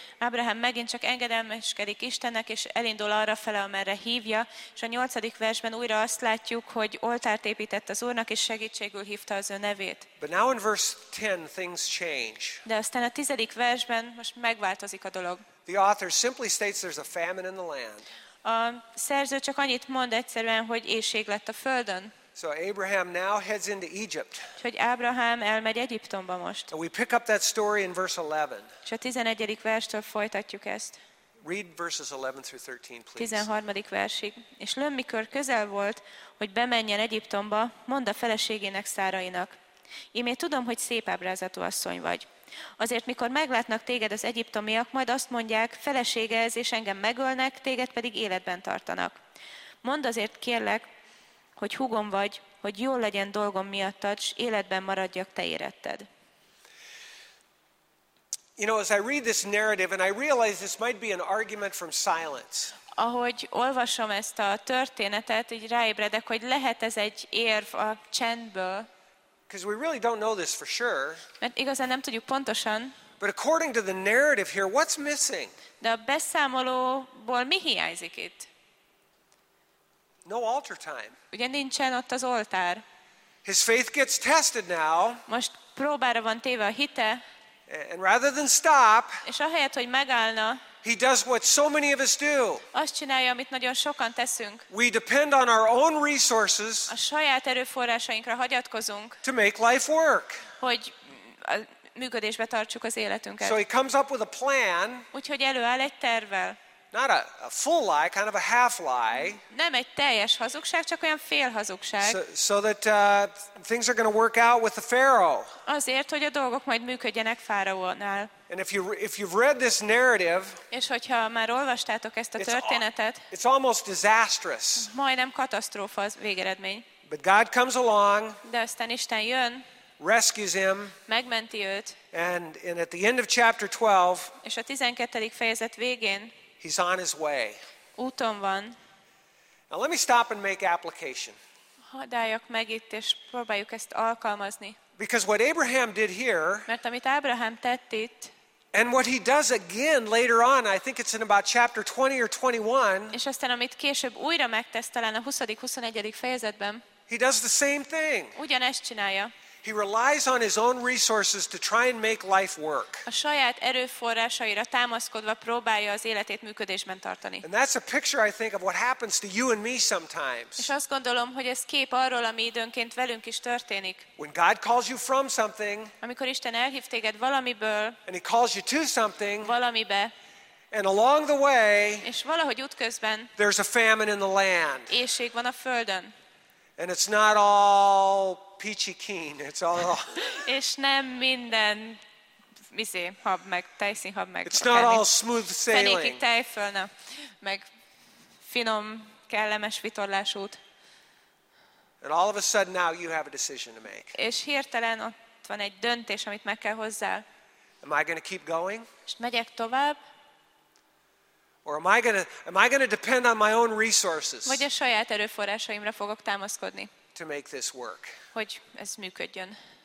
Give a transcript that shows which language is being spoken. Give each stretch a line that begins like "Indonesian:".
Hungarian: Abraham megint csak engedelmeskedik Istennek, és elindul arra fele, amerre hívja, és a 8. versben újra azt látjuk, hogy oltárt épített az Úrnak, és segítségül hívta az ő nevét.
English: But now in verse 10 things change.
Hungarian: De aztán a 10. versben most megváltozik a dolog.
English: The author simply states there's a famine in the land.
Hungarian: A szerző csak annyit mond egyszerűen, hogy éhség lett a földön.
English: So Abraham now heads into Egypt.
Hungarian: Úgyhogy Ábrahám elmegy Egyiptomba most.
English: And we pick up that story in verse 11.
Hungarian: És a 11. verstől folytatjuk ezt.
English: Read verses 11 through 13, please.
Hungarian: 13. versig. És lőn, mikor közel volt, hogy bemenjen Egyiptomba, mond a feleségének Szárainak. Én még tudom, hogy szép ábrázatú asszony vagy. Azért, mikor meglátnak téged az egyiptomiak, majd azt mondják, felesége ez, és engem megölnek, téged pedig életben tartanak. Mondd azért, kérlek, hogy húgom vagy, hogy jól legyen dolgom miattad, s életben maradjak te éretted.
English: You know, as I read this narrative, and I realize this might be an argument from silence.
Hungarian: Ahogy olvasom ezt a történetet, így ráébredek, hogy lehet ez egy érv a csendből.
English: Because we really don't know this for sure.
Hungarian: Mert igazán nem tudjuk pontosan.
English: But according to the narrative here, what's missing?
Hungarian: De a beszámolóból mi hiányzik itt?
English: No altar time.
Hungarian: Ugye nincsen ott az oltár.
English: His faith gets tested now.
Hungarian: Most próbára van téve a hite.
English: And rather than stop,
Hungarian: és ahelyett, hogy megállna,
English: he does what so many of us do.
Hungarian: Azt csinálja, amit nagyon sokan teszünk.
English: We depend on our own resources.
Hungarian: A saját erőforrásainkra hagyatkozunk.
English: To make life work.
Hungarian: Hogy a működésbe tartsuk az életünket.
English: So he comes up with a plan.
Hungarian: Úgyhogy előáll egy tervvel.
English: Not a full lie, kind of a half lie.
Hungarian: Nem egy teljes hazugság, csak olyan fél hazugság.
English: So that things are going to work out with the Pharaoh.
Hungarian: Azért, hogy a dolgok majd működjenek Fáraónál.
English: And if you've read this narrative,
Hungarian: és hogyha már olvastátok ezt a történetet,
English: it's almost disastrous.
Hungarian: Majdnem katasztrófa az végeredmény.
English: But God comes along.
Hungarian: De aztán Isten jön.
English: Rescues him.
Hungarian: Megmenti őt.
English: And at the end of chapter 12.
Hungarian: És a 12. fejezet végén.
English: He's on his way.
Hungarian: Úton van.
English: Now let me stop and make application.
Hungarian: Hadd álljak meg itt, és próbáljuk ezt alkalmazni.
English: Because what Abraham did here,
Hungarian: mert amit Ábrahám tett itt,
English: and what he does again later on, I think it's in about chapter 20 or 21,
Hungarian: és aztán amit később újra megtesz, talán a 20. 21. fejezetben,
English: he does the same thing.
Hungarian: Ugyanezt csinálja.
English: He relies on his own resources to try and make life work.
Hungarian: A saját erőforrásaira támaszkodva próbálja az életét működésben tartani.
English: And that's a picture, I think, of what happens to you and me sometimes.
Hungarian: És azt gondolom, hogy ez kép arról, ami időnként velünk is történik.
English: When God calls you from something,
Hungarian: amikor Isten elhív téged valamiből,
English: and he calls you to something,
Hungarian: valamibe,
English: and along the way,
Hungarian: és valahogy útközben,
English: there's a famine in the land.
Hungarian: Éhség van a földön.
English: And it's not all peachy keen, it's all.
Hungarian: És nem minden mizé hab meg, tejszín hab meg.
English: It's not all smooth sailing.
Hungarian: Fenékig tejfölne, meg finom, kellemes vitorlásút.
English: And all of a sudden now you have a decision to make.
Hungarian: És hirtelen ott van egy döntés, amit meg kell hozzál.
English: Am I going to keep going?
Hungarian: És megyek tovább?
English: Or am I going to depend on my own resources?
Hungarian: Vagy a saját erőforrásaimra fogok támaszkodni.
English: To make this work.
Hungarian: Hogy ez működjön.